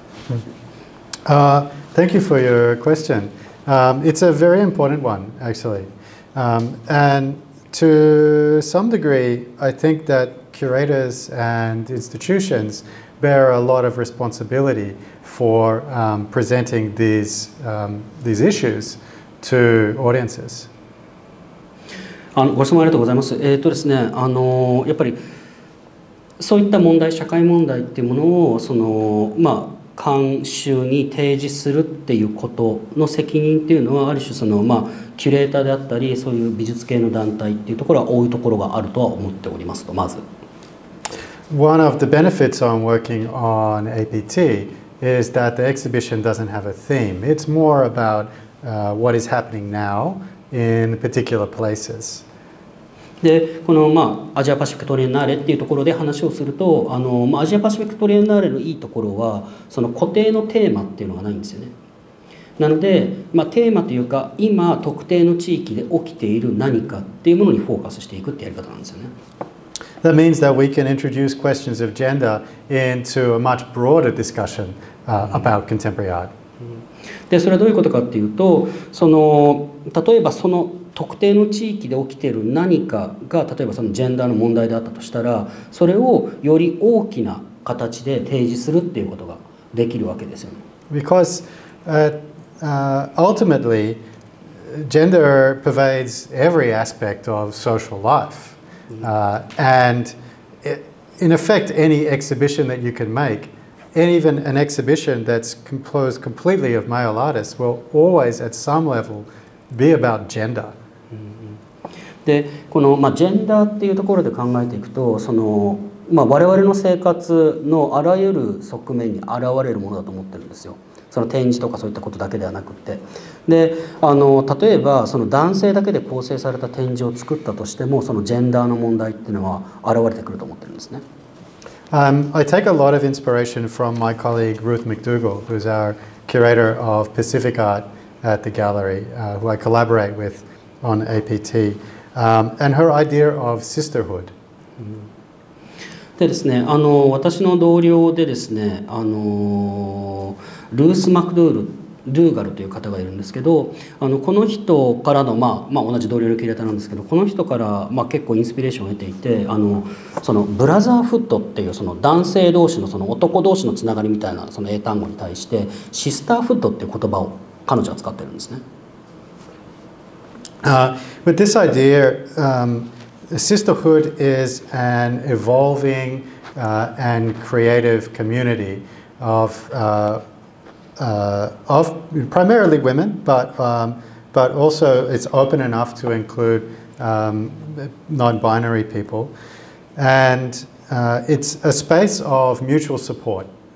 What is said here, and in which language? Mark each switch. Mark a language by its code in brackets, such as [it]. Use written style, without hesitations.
[en] うん、Thank you for your question、It's a very important one actually、andTo some degree, I think that curators and institutions bear a lot of responsibility for presenting these issues to audiences. [ja] あの、ご質問ありがとうございます。ですね、あの、やっぱりそういった問題、社会問題っていうものをその、まあ監修に提示するっていうことの責任っていうのは、ある種その、まあ、キュレーターであったりそういう美術系の団体っていうところは多いところがあるとは思っておりますと。まず [en] One of the benefits on working on APT is that the exhibition doesn't have a theme. It's more about what is happening now in particular places [ja] で、この、まあ、アジアパシフィックトリエンナーレっていうところで話をすると、あの、まあ、アジアパシフィックトリエンナーレのいいところはその固定のテーマっていうのがないんですよね。なので、まあ、テーマというか今特定の地域で起きている何かっていうものにフォーカスしていくってやり方なんですよね。 [en] That means that we can introduce questions of gender into a much broader discussion about contemporary art. [ja] で、それはどういうことかっていうと、その例えばその特定の地域で起きている何かが、例えばそのジェンダーの問題であったとしたら、それをより大きな形で提示するっていうことができるわけですよね。 [en] Because ultimately, gender pervades every aspect of social life. And in effect, any exhibition that you can make, and even an exhibition that's composed completely of male artists, will always at some level be about gender. [ja] でこの、まあ、ジェンダーっていうところで考えていくと、その、まあ、我々の生活のあらゆる側面に現れるものだと思ってるんですよ。その展示とかそういったことだけではなくって、で、あの、例えばその男性だけで構成された展示を作ったとしても、そのジェンダーの問題っていうのは現れてくると思ってるんですね。 [en] I take a lot of inspiration from my colleague Ruth McDougall, who's our curator of Pacific art at the gallery, who I collaborate withon APT, and her idea of sisterhood. [ja] でですね、私の同僚でですね、ルース・マクドゥール、ドゥーガルという方がいるんですけど、この人からの、まあ、同じ同僚のキュレーターなんですけど、この人から、結構インスピレーションを得ていて、そのブラザーフットっていうその男性同士 の, その男同士のつながりみたいなその英単語に対してシスターフットっていう言葉を彼女は使ってるんですね。 [en] But this idea, sisterhood is an evolving and creative community of primarily women, but also it's open enough to include non-binary people, and it's a space of mutual support